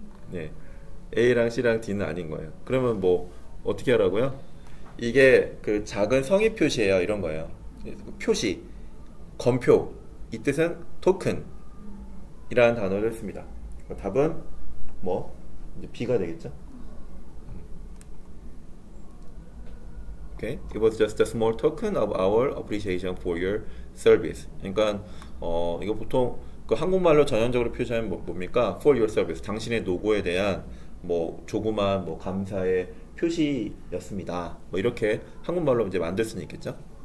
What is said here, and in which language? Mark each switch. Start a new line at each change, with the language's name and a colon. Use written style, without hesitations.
Korean: 네, A랑 C랑 D는 아닌 거예요. 그러면 뭐 어떻게 하라고요? 이게 그 작은 성의 표시예요. 이런 거예요. 표시, 검표. 이 뜻은 토큰이라는 단어를 씁니다. 답은 뭐 이제 B가 되겠죠?
English: Okay. It was just a small token of our appreciation for your service.
Korean: 그러니까 이거 보통 그 한국말로 전형적으로 표시하면 뭡니까?
English: For your service,
Korean: 당신의 노고에 대한 뭐 조그만 뭐 감사의 표시였습니다. 뭐 이렇게 한국말로 이제 만들 수는 있겠죠?